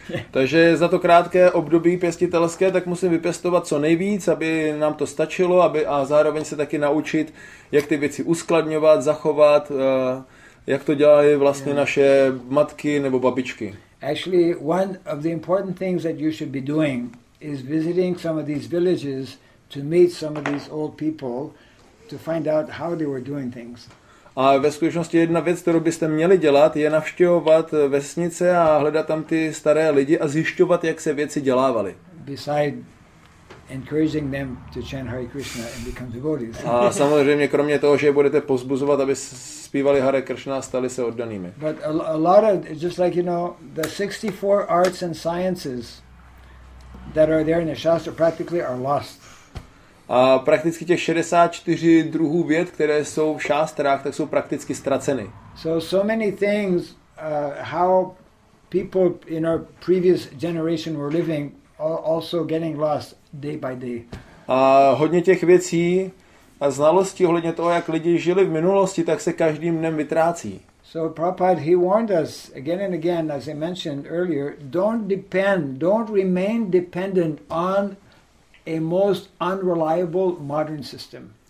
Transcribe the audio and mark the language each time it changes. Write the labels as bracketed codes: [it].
[cs] Takže za to krátké období pěstitelské, tak musím vypěstovat co nejvíc, aby nám to stačilo, a zároveň se taky naučit, jak ty věci uskladňovat, zachovat. Jak to dělají vlastně naše matky nebo babičky? [en] Actually, one of the important things that you should be doing is visiting some of these villages to meet some of these old people to find out how they were doing things. [cs] A ve skutečnosti jedna věc, kterou byste měli dělat, je navštěvovat vesnice a hledat tam ty staré lidi a zjišťovat, jak se věci dělávaly. [en] Beside encouraging them to chant Hare Krishna and become devotees. [cs] A samozřejmě kromě toho, že budete pozbuzovat, aby zpívali Hare Krishna, stali se oddanými. [en] But a lot of, just like you know, the 64 arts and sciences that are there in the Shastra practically are lost. [cs] A prakticky těch 64 druhů věd, které jsou v šástrách, tak jsou prakticky ztraceny. [en] So many things how people in our previous generation were living also getting lost day by day. [cs] A hodně těch věcí a znalostí ohledně toho, jak lidi žili v minulosti, tak se každým dnem vytrácí. [en] So Prabhupada, he warned us again and again, as I mentioned earlier, don't remain dependent on a most unreliable modern system.